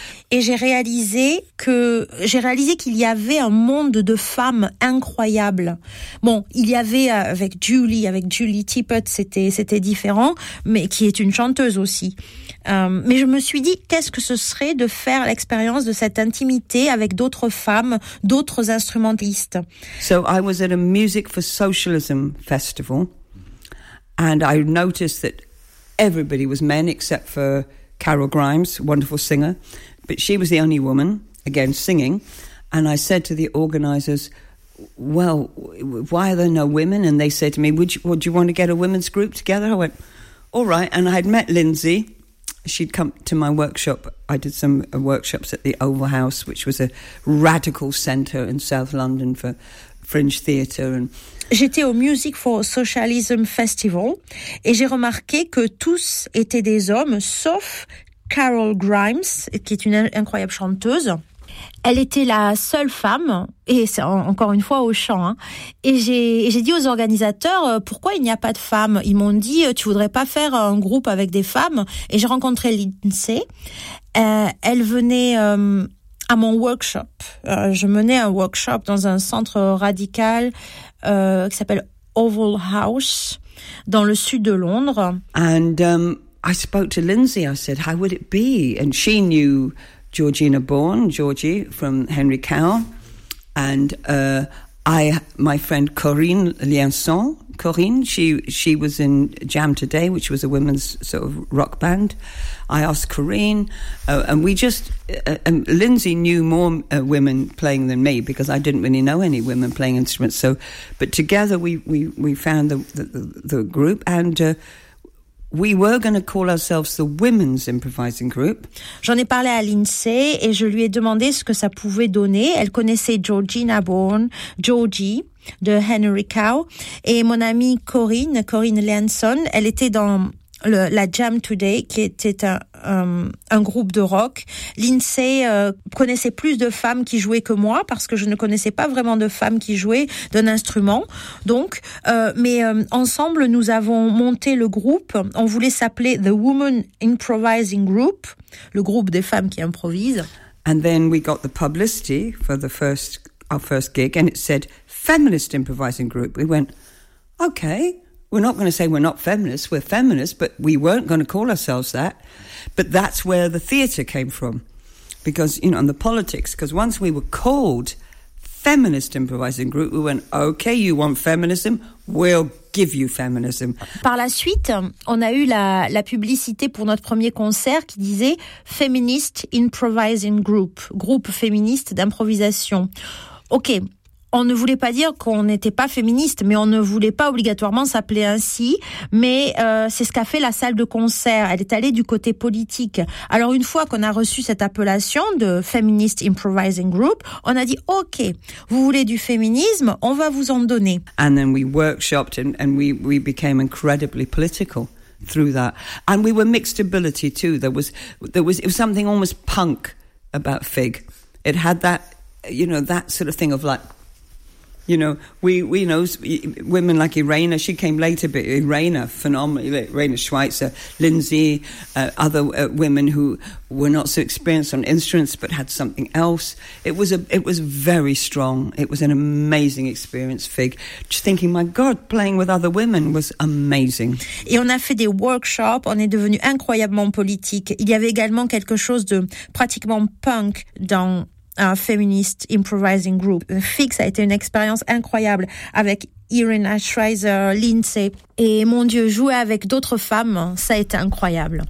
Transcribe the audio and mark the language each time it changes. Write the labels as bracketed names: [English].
[French] Et j'ai réalisé qu'il y avait un monde de femmes incroyables. Bon, il y avait avec Julie Tippett, c'était différent, mais qui est une chanteuse aussi. Mais je me suis dit, qu'est-ce que ce serait de faire l'expérience de cette intimité avec d'autres femmes, d'autres instrumentistes. [English] So I was at a Music for Socialism festival, and I noticed that everybody was men except for Carol Grimes, wonderful singer, but she was the only woman, again, singing. And I said to the organisers, well, why are there no women? And they said to me, would you want to get a women's group together? I went, all right. And I had met Lindsay. She'd come to my workshop. I did some workshops at the Oval House, which was a radical centre in South London for fringe theatre and... [French] J'étais au Music for Socialism Festival et j'ai remarqué que tous étaient des hommes, sauf Carol Grimes, qui est une incroyable chanteuse. Elle était la seule femme, et c'est encore une fois au chant. Hein. Et j'ai dit aux organisateurs, pourquoi il n'y a pas de femmes? Ils m'ont dit, tu voudrais pas faire un groupe avec des femmes? Et j'ai rencontré Lindsay. Elle venait... à mon workshop. Je menais un workshop dans un centre radical qui s'appelle Oval House, dans le sud de Londres. [English] And I spoke to Lindsay, I said, how would it be? And she knew Georgina Bourne, Georgie, from Henry Cowell. And my friend Corinne Lianson, Corinne, she was in Jam Today, which was a women's sort of rock band. I asked Corinne, and we just, and Lindsay knew more women playing than me because I didn't really know any women playing instruments. So, but together we found the group and, we were going to call ourselves the Women's Improvising Group. [French] J'en ai parlé à Lindsay et je lui ai demandé ce que ça pouvait donner. Elle connaissait Georgina Bourne, Georgie, de Henry Cow, et mon amie Corinne Lianson, elle était dans la Jam Today, qui était un groupe de rock. Lindsay connaissait plus de femmes qui jouaient que moi, parce que je ne connaissais pas vraiment de femmes qui jouaient d'un instrument. Donc, ensemble, nous avons monté le groupe. On voulait s'appeler The Woman Improvising Group, le groupe des femmes qui improvisent. [English] And then we got the publicity for our first gig, and it said Feminist Improvising Group. We went, okay. We're not going to say we're not feminists, we're feminists, but we weren't going to call ourselves that. But that's where the theatre came from, because, you know, and the politics, because once we were called Feminist Improvising Group, we went, okay, you want feminism, we'll give you feminism. [French] Par la suite, on a eu la publicité pour notre premier concert qui disait Feminist Improvising Group, groupe féministe d'improvisation. Okay. On ne voulait pas dire qu'on n'était pas féministe, mais on ne voulait pas obligatoirement s'appeler ainsi. Mais c'est ce qu'a fait la salle de concert. Elle est allée du côté politique. Alors une fois qu'on a reçu cette appellation de Feminist Improvising Group, on a dit « Ok, vous voulez du féminisme, on va vous en donner. » [English] And then we workshopped and we became incredibly political through that. And we were mixed ability too. There was it was something almost punk about Fig. It had that, you know, that sort of thing of like, you know, we know women like Irena. She came later, but Irena, phenomenal. Irena Schweitzer, Lindsay, other women who were not so experienced on instruments but had something else. It was very strong. It was an amazing experience, Fig. Just thinking, my God, playing with other women was amazing. [French] Et on a fait des workshops. On est devenu incroyablement politique. Il y avait également quelque chose de pratiquement punk dans un Feminist Improvising Group. Fig, ça a été une expérience incroyable avec Irena Schreiser, Lindsay. Et mon Dieu, jouer avec d'autres femmes, ça a été incroyable.